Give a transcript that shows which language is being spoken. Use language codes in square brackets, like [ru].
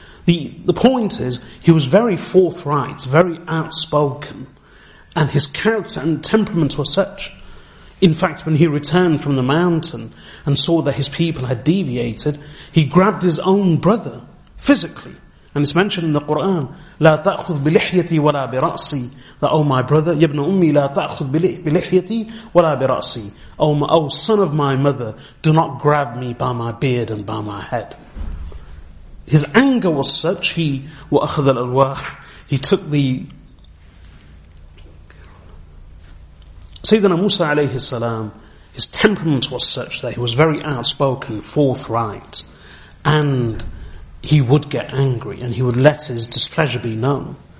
[en] The point is, he was very forthright, very outspoken, and his character and temperament were such. In fact, when he returned from the mountain and saw that his people had deviated, he grabbed his own brother physically. And it's mentioned in the Quran, [ar] لا تأخذ بلحيتي ولا برأسي. [en] That, oh my brother, [ar] يبن أمي لا تأخذ بلحيتي ولا برأسي. [en] Oh son of my mother, do not grab me by my beard and by my head. His anger was such, he [ar] وأخذ الألواح. [en] He took the... Sayyidina Musa alayhi salam, his temperament was such that he was very outspoken, forthright, and he would get angry and he would let his displeasure be known.